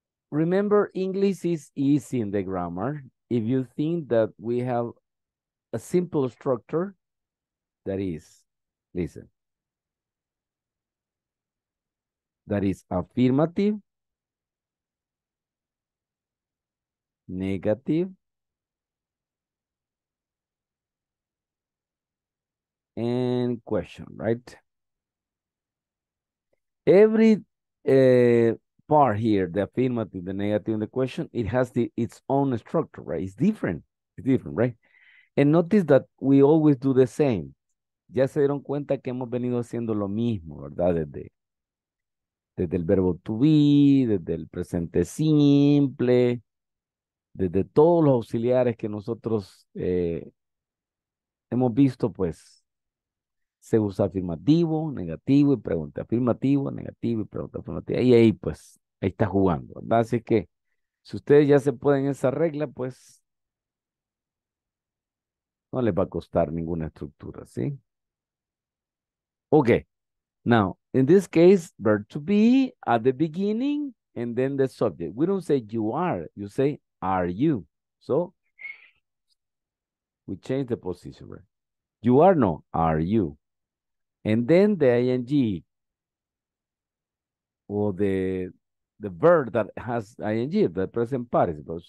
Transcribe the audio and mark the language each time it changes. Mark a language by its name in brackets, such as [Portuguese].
[English] Remember, English is easy in the grammar. If you think that we have a simple structure, that is, listen, that is affirmative, negative, and question, right? Every part here, the affirmative, the negative, and the question, it has its own structure, right? It's different, right? And notice that we always do the same. [Spanish] Ya se dieron cuenta que hemos venido haciendo lo mismo, ¿verdad? Desde el verbo to be, desde el presente simple, desde todos los auxiliares que nosotros hemos visto, pues, se usa afirmativo, negativo y pregunta afirmativo, negativo y pregunta afirmativa. Y ahí, pues, ahí está jugando, ¿verdad? Así que, si ustedes ya se pueden esa regla, pues, no les va a costar ninguna estructura, ¿sí? [English] Ok. Now, in this case, verb to be at the beginning and then the subject. We don't say you are, you say are you. So, we change the position, right? You are, no, are you. And then the ing or the verb that has ing, the present participle.